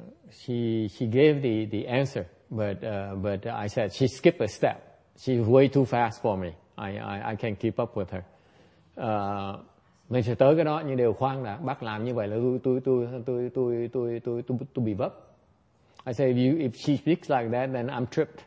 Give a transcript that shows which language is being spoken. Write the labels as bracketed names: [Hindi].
[English] She gave the answer, but I said she skipped a step. She's way too fast for me. I can't keep up with her. [Vietnamese] Mình sẽ tới cái đó, nhưng điều khoan là bác làm như vậy là tôi bị vấp. [English] I say if she speaks like that, then I'm tripped.